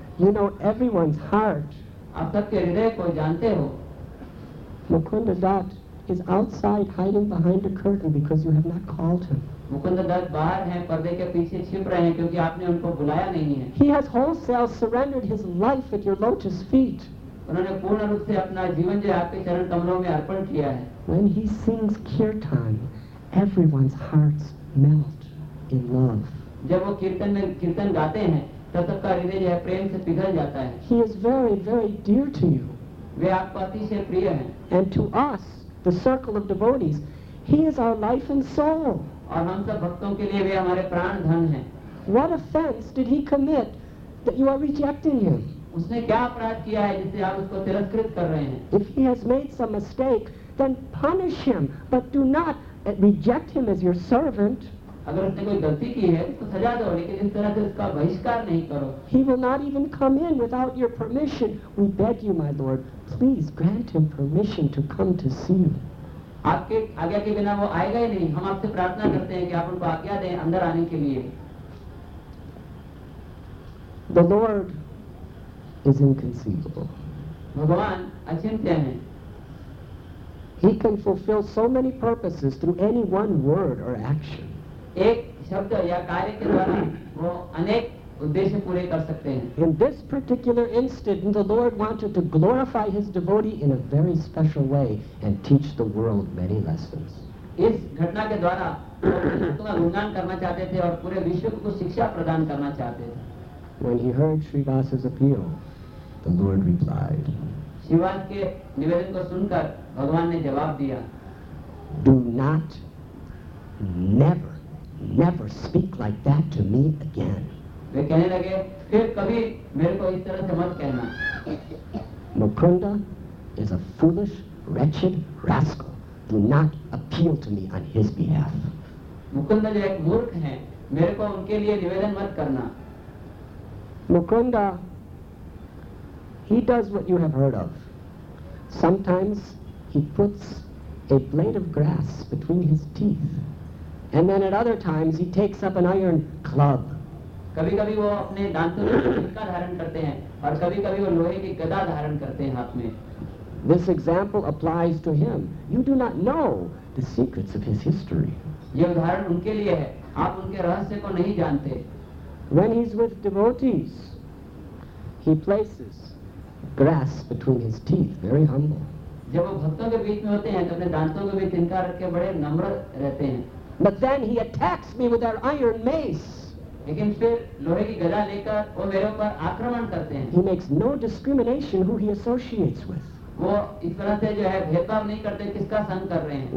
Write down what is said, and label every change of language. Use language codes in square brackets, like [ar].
[en] You know everyone's heart. [hi] Aap sabke hriday ko jante ho. [en] Mukunda Dutt is outside hiding behind a curtain because you have not called him. [hi] Mukund Dutt बाहर हैं पर्दे के पीछे छिप रहे हैं क्योंकि आपने उनको बुलाया नहीं है। [en] He has wholesale surrendered his life at your lotus feet. [hi] उन्होंने पूर्ण रूप से अपना जीवन जो आपके चरण कमलों में अर्पण किया है। [en] When he sings kirtan, everyone's hearts melt in love. [hi] जब वो कीर्तन गाते हैं तब सबका हृदय जो है प्रेम से पिघल जाता है। [en] He is very, very dear to you. [hi] वे आपको अतिशय प्रिय हैं। [en] And to us, the circle of devotees, he is our life and soul. [hi] और हम सब भक्तों के लिए भी हमारे प्राण धन हैं। [en] What offense did he commit that you are rejecting him? [hi] उसने क्या अपराध किया है जिससे आप उसको तिरस्कृत कर रहे हैं? [en] If he has made some mistake, then punish him, but do not reject him as your servant, he will not even come in without your permission. We beg you, my Lord, please grant him permission to come to see you. [hi] आपके आज्ञा के बिना वो आएगा ही नहीं. हम आपसे प्रार्थना करते हैं कि आप उनको आज्ञा दें अंदर आने के लिए. [en] The Lord is inconceivable. [hi] भगवान अचिंत्य हैं. [en] He can fulfill so many purposes through any one word or action. [hi] एक शब्द या कार्य के द्वारा वो अनेक उद्देश्य पूरे कर सकते हैं. [en] In this particular instant, the Lord wanted to glorify his devotee in a very special way and teach the world many lessons. [hi] इस घटना के द्वारा अपना गुणगान करना चाहते थे और पूरे विश्व को कुछ शिक्षा प्रदान करना चाहते थे. [en] When he heard Srivas's appeal, the Lord replied, [hi] Shiva's के निवेदन को सुनकर भगवान ने जवाब दिया, [en] Do not, never, never speak like that to me again. [hi] वे कहने लगे, फिर कभी मेरे को इस तरह से मत कहना. [en] Mukunda is a foolish, wretched rascal. Do not appeal to me on his behalf. [hi] Mukunda जो एक मूर्ख हैं, मेरे को उनके लिए निवेदन मत करना. [en] Mukunda, he does what you have heard of. Sometimes he puts a blade of grass between his teeth, and then at other times he takes up an iron club. [hi] कभी कभी वो अपने दांतों से सिक्का धारण करते हैं और कभी कभी वो लोहे की गदा धारण करते हैं हाथ में. [en] This example applies to him. You do not know the secrets of his history. [hi] ये उदाहरण उनके लिए है. आप उनके रहस्य को नहीं जानते. [en] When he's with devotees, he places grass between his teeth, very humble. [hi] जब वो भक्तों के बीच में होते हैं, तो अपने दांतों को भी तिनका रख के बड़े नम्र रहते हैं. [en] But then he attacks me with our iron mace. [hi] लेकिन फिर लोहे की गदा लेकर वो मेरे ऊपर आक्रमण करते हैं. [en] He makes no discrimination who he associates with. [hi] वो इस तरह से जो है भेदभाव नहीं करते किसका संग कर रहे हैं.